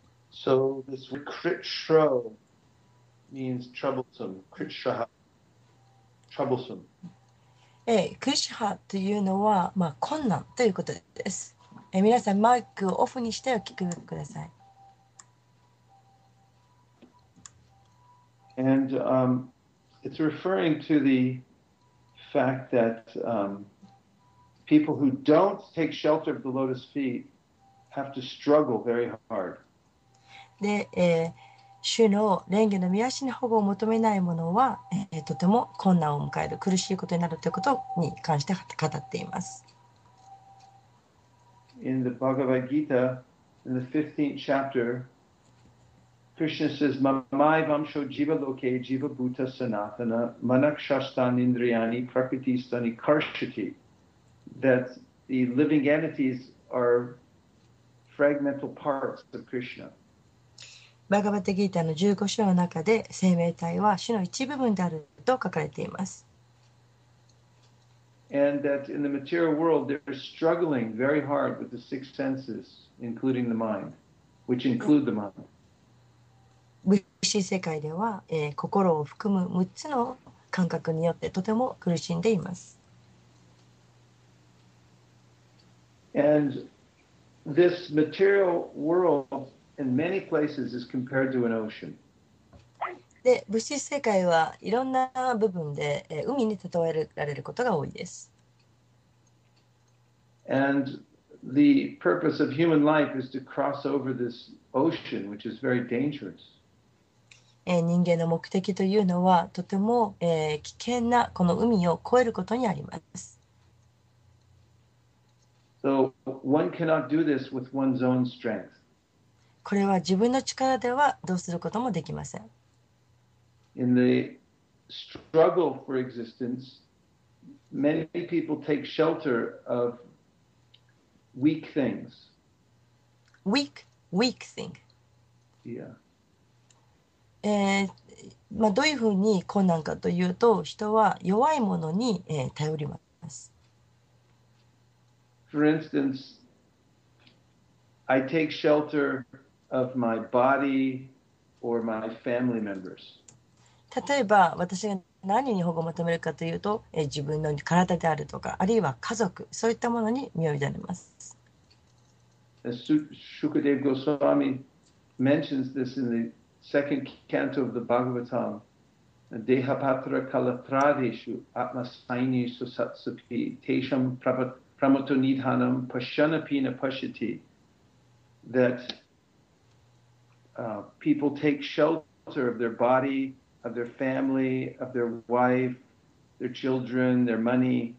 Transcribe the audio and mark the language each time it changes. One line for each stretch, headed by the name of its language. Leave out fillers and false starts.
English: So this Krishro means troublesome. Krishraha, troublesome.
Japanese: Krishha というのは、まあ、困難ということです。皆さんマイクをオフにしてお聞きください。
English: And it's referring to the fact that people who don't take shelter of the lotus feet have to struggle very hard.
Japanese: で、主の蓮華の御足に保護を求めない者は、とても困難を迎える苦しいことになるということに関して語っています。
English: In the Bhagavad Gita in the 15th chapter Krishna says
Sanskrit: Mamai vamsho jiva loke jiva bhuta sanatana manakshastan indriyani prakriti stani karshati
English: that the living entities are fragmental parts of Krishna
Japanese: バガバタギータの15章の中で生命体は種の一部分であると書かれています。
English: And that in the material world, they're struggling very hard with the six senses, including the mind, which include the mind.
Japanese: 物質世界では、心を含む6つの感覚によってとても苦しんでいます。
English: And this material world in many places is compared to an ocean.
Japanese: で物質世界はいろんな部分で、海に例えられることが多いです。
English: And the purpose of human life is to cross over this ocean, which is very dangerous.
Japanese: 人間の目的というのはとても、危険なこの海を越えることにあります。
English: So one cannot do this with one's own strength.
Japanese: これは自分の力ではどうすることもできません。
English: In the struggle for existence, many people take shelter of weak things. Weak thing. Yeah.
Japanese: どういうふうに困難かというと、人は弱いものに、頼ります。
English: For instance, I take shelter of my body or my family members.
Japanese: 例えば私が何に保護を求めるかというと、自分の体であるとか、あるいは家族、そういったものに身を委ねます。
English: Shukadeva Goswami mentions this in the second canto of the Bhagavatam,
Sanskrit: Dehapatra Kalatradeshu Atmasaini Susatsupi Tesham Pramotonidhanam Pashanapina Pashati,
English: that people take shelter of their bodyof their family, of their wife, their children, their money.